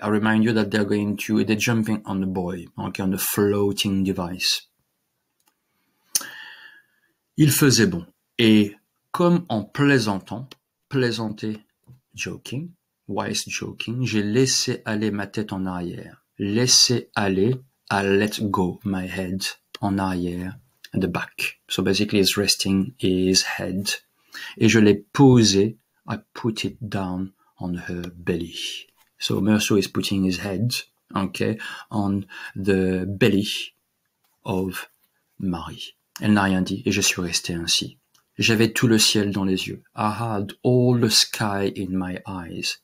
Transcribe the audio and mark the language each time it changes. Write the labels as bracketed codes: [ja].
[en] I remind you that they're jumping on the buoy, okay, on the floating device. [fr] Il faisait bon. Et comme en plaisanter, [en] joking, wise joking, [fr] j'ai laissé aller ma tête en arrière. Laisser aller, [en] I let go my head [fr] en arrière. [en] at the back. So basically it's resting his head. [fr] Et je l'ai posé, [en] I put it down on her belly. So Merceau is putting his head, okay, on the belly of Marie. [fr] Elle n'a rien dit et je suis resté ainsi. J'avais tout le ciel dans les yeux. [en] I had all the sky in my eyes.